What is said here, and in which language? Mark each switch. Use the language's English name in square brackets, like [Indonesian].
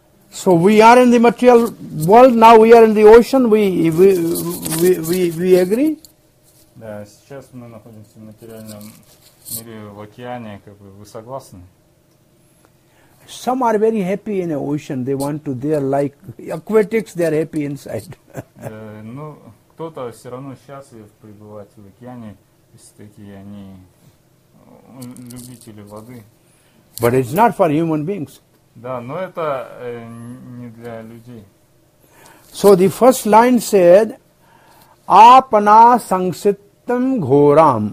[English] So we are in the material world, now we are in the ocean, we agree? [Russian] Да, сейчас мы находимся в материальном мире, в океане, как бы, вы согласны? [English] Some are very happy in the ocean, they want to, they are like aquatics, they are happy inside. [Russian] Ну, кто-то все равно счастлив пребывать в океане, если такие они любители воды. [English] But it's not for human beings. [Russian] Да, но это не для людей. [English] So the first line said, Apana sangsittam ghoram.